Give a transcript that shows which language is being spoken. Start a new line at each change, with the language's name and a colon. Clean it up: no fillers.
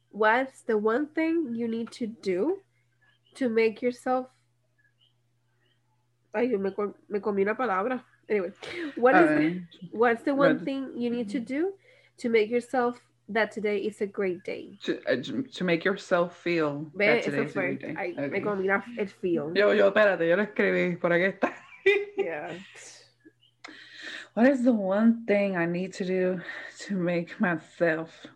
English: What's the one thing you need to do to make yourself...
Spanish: Ay, me comí una palabra.
English: Anyway, what's the one thing you need to do to make yourself that today is a great day? To make yourself feel that today is a great day.
Spanish: Me comí una, el feel. Yo, espérate, yo lo escribí, por aquí está.
English: Yeah. What is the one thing I need to do to make myself?